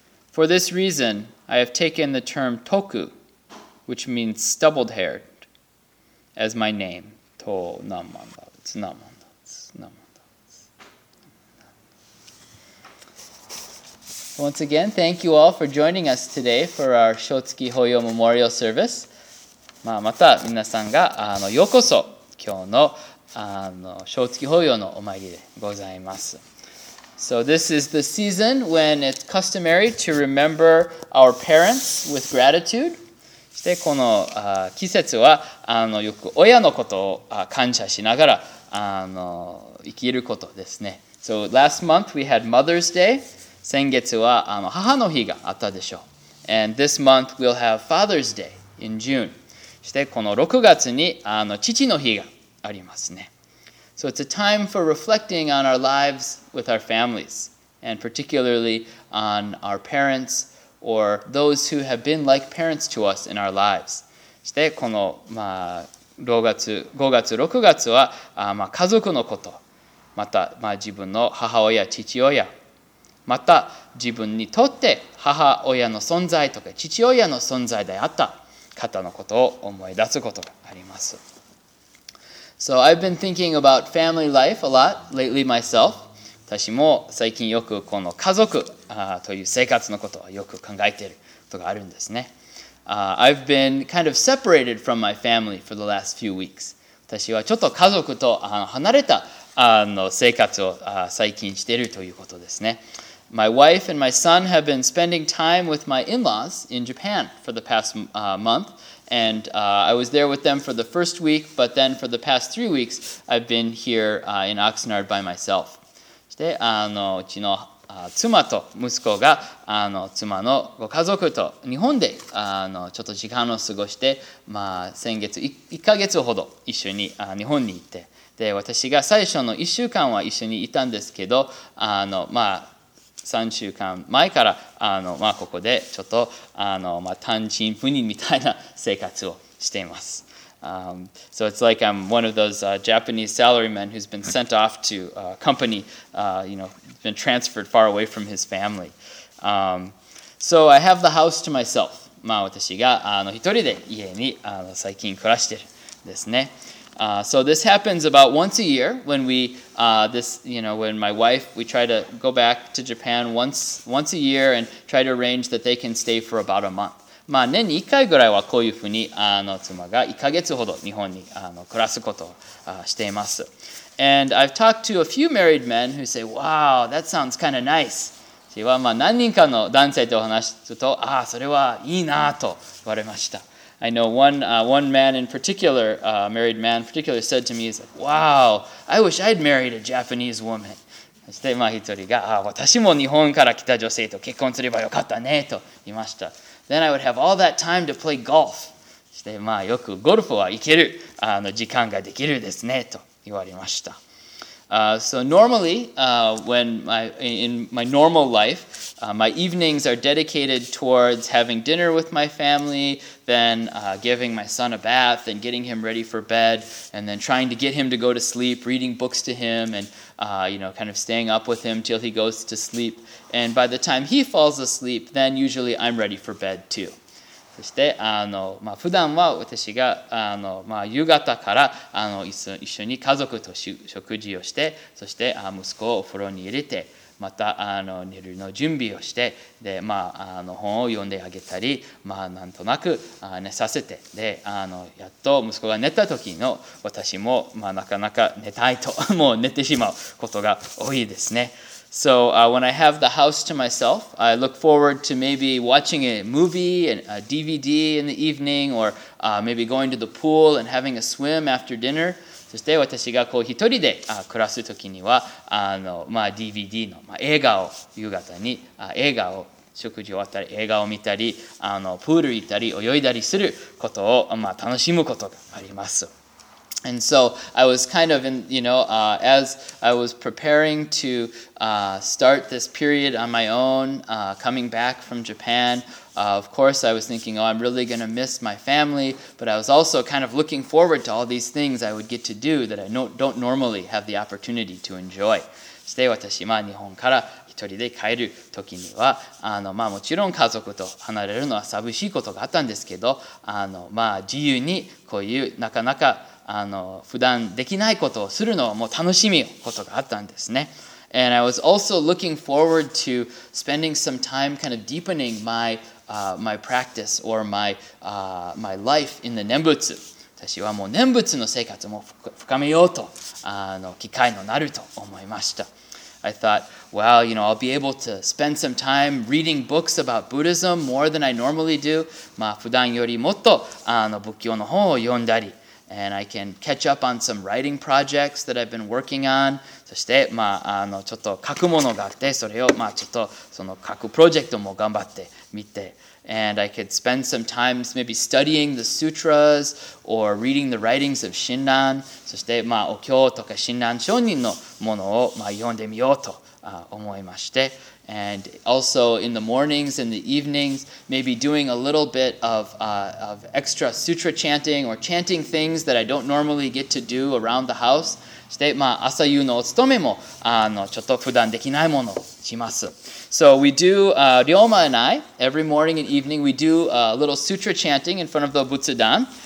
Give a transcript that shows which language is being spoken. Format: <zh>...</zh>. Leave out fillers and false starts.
<en>For this reason, I have taken the term toku, which means stubbled haired, as my name.</en> <ja>と、なんまんだ、つなまんだ、つなまん。</ja> <en>Once again, thank you all for joining us today for our Shōtsuki Hōyō Memorial Service.</en> <ja>まあ、また皆さんがようこそ今日の Shōtsuki Hōyō のお参りでございます。</ja> <en>So this is the season when it's customary to remember our parents with gratitude.</en> <ja>そしてこの季節はよく親のことを感謝しながら生きることですね。</ja> <en>So last month we had Mother's Day.</en> <ja>先月は母の日があったでしょう。</ja> <en>And this month we'll have Father's Day in June.</en> <ja>そしてこの6月に父の日がありますね。</ja> <en>So it's a time for reflecting on our lives with our families, and particularly on our parents or those who have been like parents to us in our lives.</en> <ja>そしてこの、5月、6月は家族のこと、また自分の母親、父親、また自分にとって母親の存在とか父親の存在であった方のことを思い出すことがあります。</ja> <en>So I've been thinking about family life a lot lately myself.</en> <ja>私も最近よくこの家族という生活のことをよく考えていることがあるんですね。</ja> <en>I've been kind of separated from my family for the last few weeks.</en> <ja>私はちょっと家族と離れた生活を最近しているということですね。</ja> <en>My wife and my son have been spending time with my in-laws in Japan for the past month, and I was there with them for the first week, but then for the past 3 weeks, I've been here in Oxnard by myself.</en> <ja>そして、うちの妻と息子が妻のご家族と日本でちょっと時間を過ごして、まあ、先月 1ヶ月ほど一緒に日本に行って、で、私が最初の1週間は一緒にいたんですけど、3週間前からここでちょっと単身赴任みたいな生活をしています。</ja> <en>So it's like I'm one of those Japanese salarymen who's been sent off to a company, been transferred far away from his family. So I have the house to myself.</en> <ja>まあ私が一人で家に最近暮らしてるんですね。</ja> <en>So this happens about once a year when my wife try to go back to Japan once a year and try to arrange that they can stay for about a month.</en> <ja>まあ年に1回ぐらいはこういうふうに妻が1ヶ月ほど日本に暮らすことをしています。</ja> <en>And I've talked to a few married men who say, wow, that sounds kind of nice.</en> <ja>私はまあ何人かの男性と話すと、ああ、それはいいなと言われました。</ja> <en>I know one man in particular, a married man in particular, said to me, he's like, wow, I wish I'd married a Japanese woman.</en> <ja>そして、まあ一人が、ああ、私も日本から来た女性と結婚すればよかったねと言いました。</ja> <en>Then I would have all that time to play golf.</en> <ja>そして、まあよくゴルフは行ける、時間ができるですねと言われました。</ja> <en>So normally, when in my normal life, my evenings are dedicated towards having dinner with my family, then giving my son a bath and getting him ready for bed, and then trying to get him to go to sleep, reading books to him, and kind of staying up with him till he goes to sleep. And by the time he falls asleep, then usually I'm ready for bed too.</en> <ja>そして、普段は私が夕方から一緒に家族と食事をして、そして息子をお風呂に入れて、また寝るの準備をして、で、本を読んであげたり、なんとなく寝させて、で、やっと息子が寝た時の私も、なかなか寝たいと、もう寝てしまうことが多いですね。</ja> <en>So when I have the house to myself, I look forward to maybe watching a movie and a DVD in the evening, or maybe going to the pool and having a swim after dinner.</en> <ja>そして私がこう一人で暮らす時には、DVD の映画を夕方に映画を食事終わったり映画を見たり、プール行ったり泳いだりすることを楽しむことがあります。</ja> <en>And so I was kind of in, as I was preparing to start this period on my own, coming back from Japan, of course I was thinking, oh, I'm really going to miss my family, but I was also kind of looking forward to all these things I would get to do that I don't normally have the opportunity to enjoy.</en> <ja>そして私は日本から一人で帰る時には、もちろん家族と離れるのは寂しいことがあったんですけど、自由にこういうなかなか普段できないことをするのはもう楽しみことがあったんですね。</ja> <en>And I was also looking forward to spending some time kind of deepening my, my practice or my, my life in the 念仏。</en> <ja>私はもう念仏の生活も深めようと、機会のなると思いました。</ja> <en>I thought, well, I'll be able to spend some time reading books about Buddhism more than I normally do.</en> <ja>普段よりもっと仏教の本を読んだり、</ja> <en>And I can catch up on some writing projects that I've been working on.</en> <ja>そして、ちょっと書くものがあって、それを、ちょっとその書くプロジェクトも頑張ってみて。</ja> <en>And I could spend some time maybe studying the sutras or reading the writings of Shinran.</en> <ja>そして、お経とか Shinran 上人のものを、読んでみようと思いまして。</ja> <en>And also in the mornings and the evenings, maybe doing a little bit of extra sutra chanting or chanting things that I don't normally get to do around the house.</en> <ja>そして、朝夕のお勤めもちょっと普段できないものをします。</ja> <en>So we do, Ryoma and I, every morning and evening, we do a little sutra chanting in front of the butsudan.</en>